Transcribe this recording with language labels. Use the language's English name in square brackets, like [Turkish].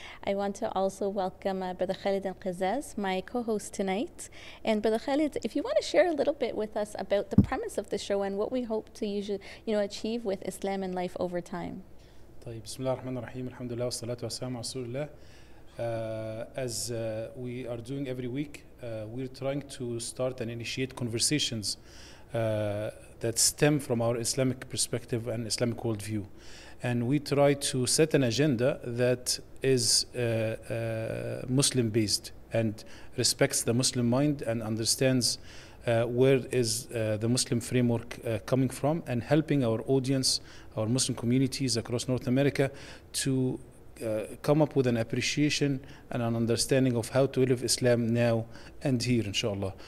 [English] I want to also welcome Brother Khalid Al-Qizaz, my co-host tonight. And Brother Khalid, if you want to share a little bit with us about the premise of the show and what we hope to usually, you know, achieve with Islam and life over time. [Arabic] طيب بسم الله الرحمن الرحيم الحمد لله والصلاة والسلام على رسول الله. [English] As we are doing every week, we're trying to start and initiate conversations that stem from our Islamic perspective and Islamic worldview. And we try to set an agenda that is Muslim-based and respects the Muslim mind and understands where is the Muslim framework coming from, and helping our audience, our Muslim communities across North America to come up with an appreciation and an understanding of how to live Islam now and here, inshallah.